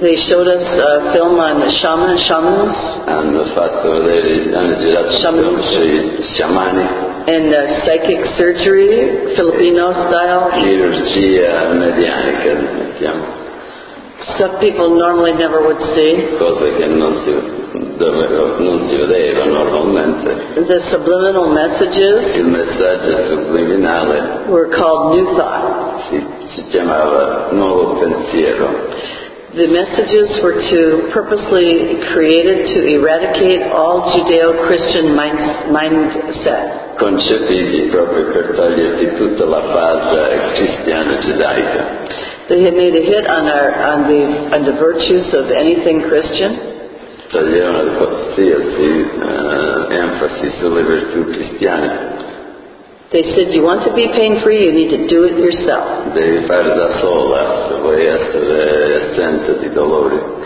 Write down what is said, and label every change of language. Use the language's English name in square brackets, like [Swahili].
[English] They showed us a film on the shamans. [Italian] Hanno fatto vedere, hanno girato shamans. Sui sciamani. [English] And psychic surgery, Filipino style. [Italian] Chirurgia medianica, mettiamo. [English] Stuff people normally never would see. [Italian] Cose che non si vedeva normalmente. [English] The subliminal messages. [Italian] Il messaggio subliminale. [English] Were called new thought. [Italian] Si chiamava nuovo pensiero. [English] The messages were to purposely created to eradicate all Judeo-Christian mindset. [Italian] Concepiti proprio per toglierti tutta la base cristiana giudaica. [English] They had made a hit on the virtues of anything Christian. [Italian] Toglievano qualsiasi enfasi sulle virtù cristiane. [English] They said, you want to be pain-free, you need to do it yourself. [Italian] Devi fare da sola, se vuoi essere assente di dolore.